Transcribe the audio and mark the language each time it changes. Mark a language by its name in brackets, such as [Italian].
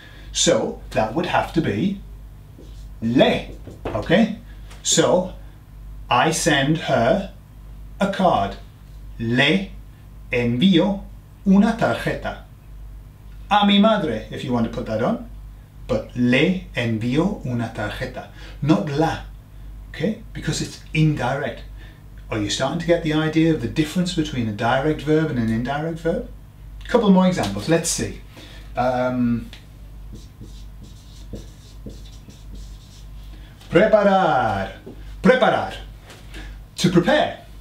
[English] So that would have to be le, okay? So I send her a card. [Spanish] Le envío una tarjeta. A mi madre, [English] if you want to put that on. [Spanish] But le envío una tarjeta. [English] Not la, okay? Because it's indirect. Are you starting to get the idea of the difference between a direct verb and an indirect verb? Couple more examples, let's see. [Spanish] Preparar. Preparar. [English] To prepare.